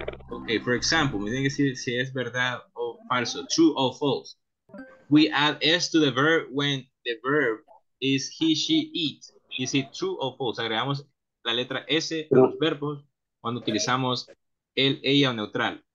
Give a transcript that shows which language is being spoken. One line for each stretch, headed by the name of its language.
Spanish: Okay,
English: for example,
Spanish: me tienen que decir si es verdad o falso.
English: True or false. We add S to the verb when the verb is he, she, it. Is it true or false?
Spanish: Agregamos la letra S a los verbos cuando utilizamos el, ella o neutral.